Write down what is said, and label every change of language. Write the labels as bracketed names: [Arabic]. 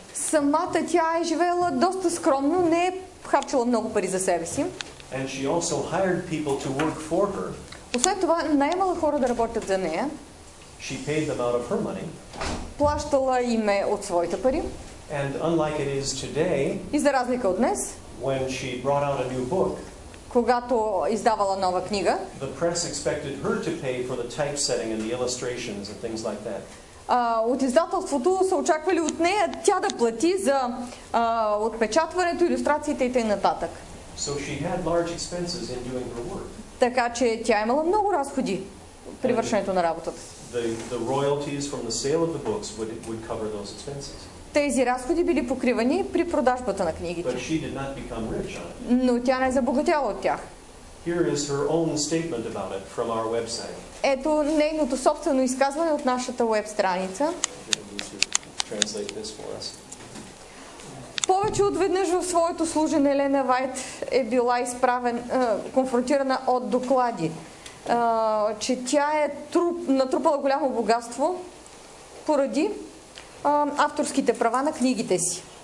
[Bulgarian] Самата тя е живеела доста скромно, не е харчила много пари за себе си. [English] And she also hired people to work for her. [Bulgarian] Освен това, наемала хора да работят за нея. [English] She paid them out of her money. [Bulgarian] Плащала им е от своите пари. [English] And unlike it is today, [Bulgarian] и за разлика от днес, [English] when she brought out a new book, [Bulgarian] когато издавала нова книга, [English] the press expected her to pay for the typesetting and the illustrations and things like that. [Bulgarian] От издателството са очаквали от нея тя да плати за отпечатването, илюстрациите и т.н. [English] So she had large expenses in doing her work. [Bulgarian] Така че тя имала много разходи при вършането на работата. [English] The royalties from the sale of the books would cover those expenses. [Bulgarian] Тези разходи били покривани при продажбата на книгите. [English] But she did not become rich on it. [Bulgarian] Но тя не е забогатяла от тях. [English] Here is her own statement about it from our website. [Bulgarian] Ето нейното собствено изказване от нашата веб страница. [English] Translate this for us. [Bulgarian] Повече от веднъж в своето служене Елена Вайт е била конфронтирана от доклади, че тя е натрупала голямо богатство поради авторските права на книгите си.